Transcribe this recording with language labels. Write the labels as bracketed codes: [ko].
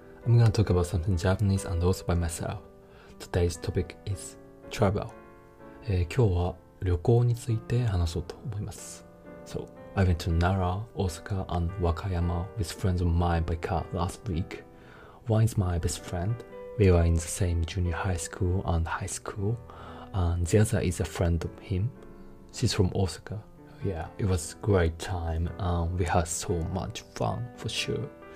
[en] I'm gonna talk about something Japanese and also by myself. Today's topic is travel. [ja] 今日は旅行について話そうと思います。 [en] So, I went to Nara, Osaka and Wakayama with friends of mine by car last week. One is my best friend. We were in the same junior high school and high school. And the other is a friend of him. She's from Osaka. Yeah, it was a great time and we had so much fun for sure.